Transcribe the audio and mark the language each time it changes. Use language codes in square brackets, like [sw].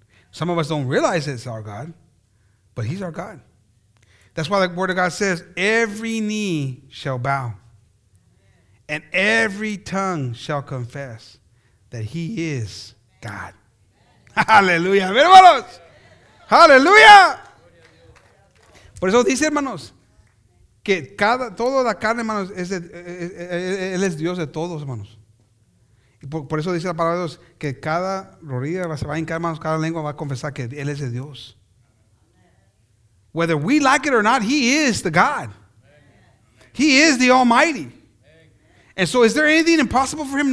[en] Some of us don't realize it's our God, but he's our God. That's why the word of God says, every knee shall bow and every tongue shall confess that he is God. [es] Hallelujah. Hermanos. Hallelujah. Por eso dice, hermanos, que cada toda la carne, hermanos, él es Dios de todos, hermanos. Y por eso dice la palabra de Dios que cada rodilla se va a hincar, hermanos, cada lengua va a confesar que él es de Dios. [en] Whether we like it or not, he is the God. Amen. He is the Almighty. Amen. And so is there anything impossible for him?